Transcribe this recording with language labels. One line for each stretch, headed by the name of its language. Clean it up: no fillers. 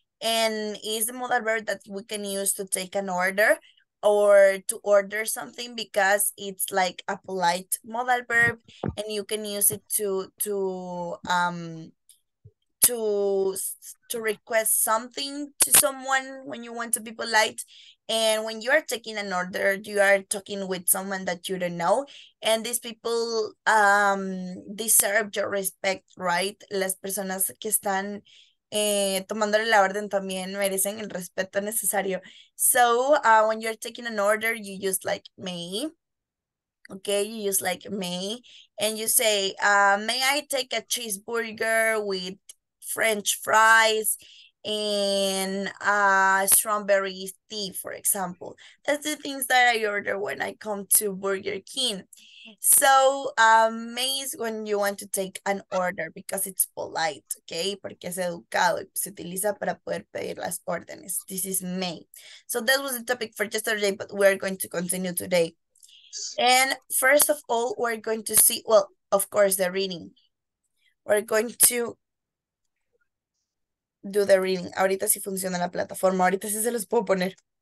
English: And is the modal verb that we can use to take an order or to order something, because it's like a polite modal verb, and you can use it to request something to someone when you want to be polite. And when you are taking an order, you are talking with someone that you don't know, and these people deserve your respect, right?
Spanish: Las personas que están tomándole la orden también merecen el respeto necesario.
English: So when you're taking an order, you use like may, okay? You use like may, and you say may I take a cheeseburger with French fries and strawberry tea, for example. That's the things that I order when I come to Burger King. So may is when you want to take an order because it's polite, okay?
Spanish: Porque es educado y se utiliza para poder pedir las órdenes.
English: This is may. So that was the topic for yesterday, but we're going to continue today. And first of all, we're going to see, well, of course, the reading. We're going to do the reading.
Spanish: Ahorita sí funciona la plataforma. Ahorita sí se los puedo poner.